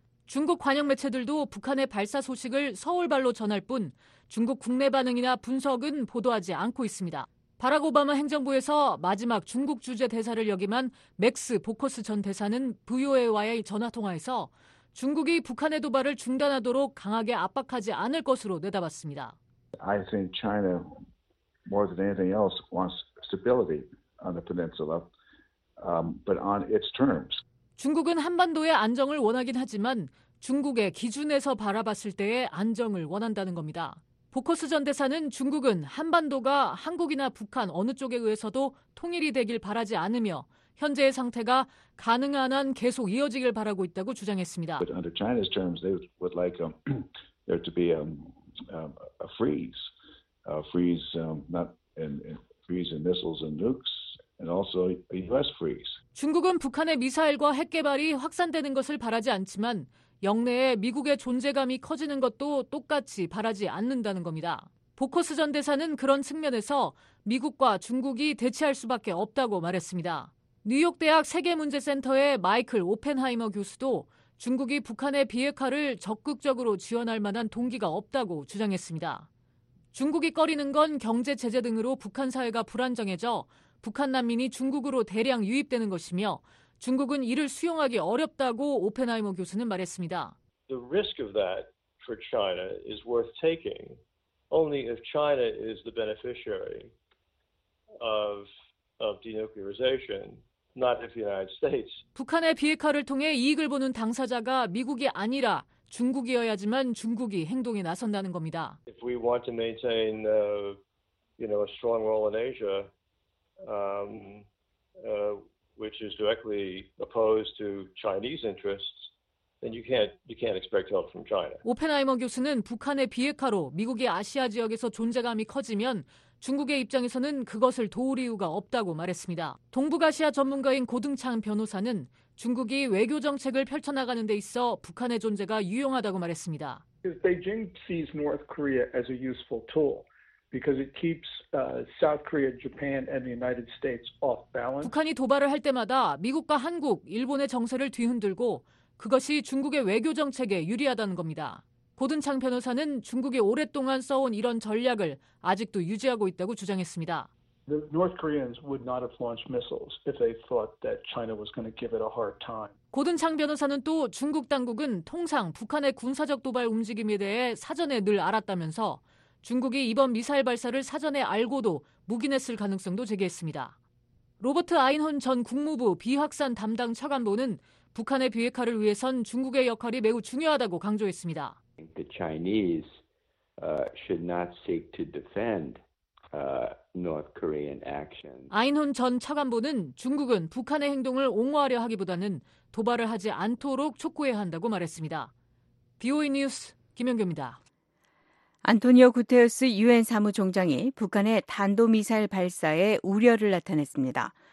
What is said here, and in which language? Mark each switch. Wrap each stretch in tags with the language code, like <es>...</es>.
<ko>중국 관영 매체들도 북한의 발사 소식을 서울발로 전할 뿐 중국 국내 반응이나 분석은 보도하지 않고 있습니다. 바락 오바마 행정부에서 마지막 중국 주재 대사를 역임한 맥스 보커스 전 대사는 VOA와의 전화통화에서 중국이 북한의 도발을 중단하도록 강하게 압박하지 않을 것으로 내다봤습니다.</ko> <en>I think China more than anything else wants stability on the peninsula, but on its terms.</en> <ko>중국은 한반도의 안정을 원하긴 하지만 중국의 기준에서 바라봤을 때의 안정을 원한다는 겁니다. 보커스 전 대사는 중국은 한반도가 한국이나 북한 어느 쪽에 의해서도 통일이 되길 바라지 않으며 현재의 상태가 가능한 한 계속 이어지길 바라고 있다고 주장했습니다.</ko> <en>But under China's terms, they would like there to be a freeze. Freeze in missiles and nukes, and also a U.S. freeze.</en> <ko>중국은 북한의 미사일과 핵 개발이 확산되는 것을 바라지 않지만 영내에 미국의 존재감이 커지는 것도 똑같이 바라지 않는다는 겁니다. 보커스 전 대사는 그런 측면에서 미국과 중국이 대치할 수밖에 없다고 말했습니다. 뉴욕대학 세계문제센터의 마이클 오펜하이머 교수도 중국이 북한의 비핵화를 적극적으로 지원할 만한 동기가 없다고 주장했습니다. 중국이 꺼리는 건 경제 제재 등으로 북한 사회가 불안정해져 북한 난민이 중국으로 대량 유입되는 것이며 중국은 이를 수용하기 어렵다고 오펜하이머 교수는 말했습니다.</ko> <en>The risk of that for China is worth taking only if China is the beneficiary of denuclearization, not if the United States.</en> <ko>북한의 비핵화를 통해 이익을 보는 당사자가 미국이 아니라 중국이어야지만 중국이 행동에 나선다는 겁니다.</ko> <en>If we want to maintain a strong role in Asia, which is directly opposed to Chinese interests, then you can't expect help from China.</en> <ko>오펜하이머 교수는 북한의 비핵화로 미국이 아시아 지역에서 존재감이 커지면 중국의 입장에서는 그것을 도울 이유가 없다고 말했습니다. 동북아시아 전문가인 고등창 변호사는 중국이 외교 정책을 펼쳐나가는 데 있어 북한의 존재가 유용하다고 말했습니다.</ko> <en>Beijing sees North Korea as a useful tool because it keeps South Korea, Japan, and the United States off balance.</en> <ko>북한이 도발을 할 때마다 미국과 한국, 일본의 정세를 뒤흔들고 그것이 중국의 외교 정책에 유리하다는 겁니다. 고든창 변호사는 중국이 오랫동안 써온 이런 전략을 아직도 유지하고 있다고 주장했습니다.</ko> <en>The North Koreans would not have launched missiles if they thought that China was going to give it a hard time.</en> <ko>고든창 변호사는 또 중국 당국은 통상 북한의 군사적 도발 움직임에 대해 사전에 늘 알았다면서 중국이 이번 미사일 발사를 사전에 알고도 묵인했을 가능성도 제기했습니다. 로버트 아인혼 전 국무부 비확산 담당 차관보는 북한의 비핵화를 위해선 중국의 역할이 매우 중요하다고 강조했습니다.</ko> <en>The Chinese should not seek to defend North Korean actions.</en> <ko>아인혼 전 차관보는 중국은 북한의 행동을 옹호하려 하기보다는 도발을 하지 않도록 촉구해야 한다고 말했습니다. BOE 뉴스 김영규입니다. 안토니오 구테우스 유엔 사무총장이 북한의 탄도미사일 발사에 우려를 나타냈습니다.</ko>